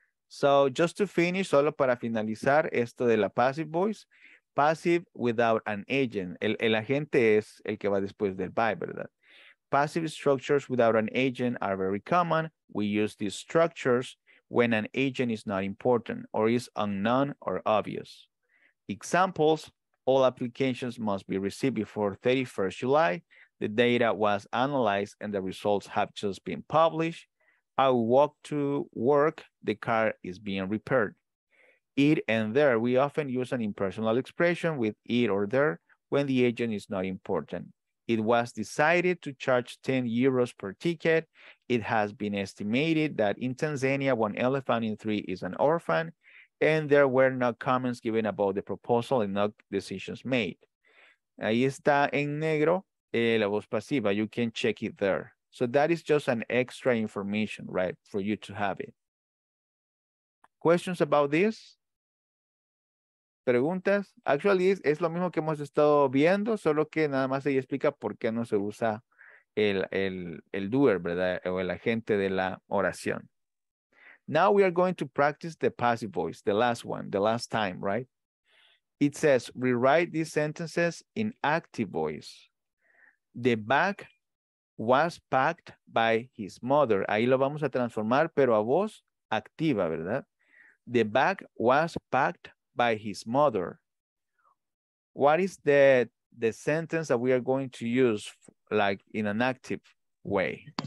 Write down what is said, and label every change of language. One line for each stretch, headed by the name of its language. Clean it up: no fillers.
English: So just to finish,
Spanish: solo para finalizar esto de la
English: passive voice, passive without an agent.
Spanish: El agente es el que va después del by, ¿verdad?
English: Passive structures without an agent are very common. We use these structures when an agent is not important or is unknown or obvious. Examples, all applications must be received before 31st July. The data was analyzed and the results have just been published. I walk to work, the car is being repaired. It and there, we often use an impersonal expression with it or there when the agent is not important. It was decided to charge 10 euros per ticket. It has been estimated that in Tanzania, one elephant in three is an orphan. and there were no comments given about the proposal and no decisions made.
Spanish: Ahí está en negro la voz pasiva.
English: You can check it there. So that is just an extra information, right, for you to have it. Questions about this?
Spanish: Preguntas? Actually, es lo mismo que hemos estado viendo, solo que nada más ella explica por qué no se usa el doer, ¿verdad? O el agente de la oración.
English: Now we are going to practice the passive voice, the last one, the last time, right? It says, rewrite these sentences in active voice. The bag was packed by his mother.
Spanish: Ahí lo vamos a transformar, pero a voz activa, ¿verdad?
English: The bag was packed by his mother. What is the sentence that we are going to use like in an active way?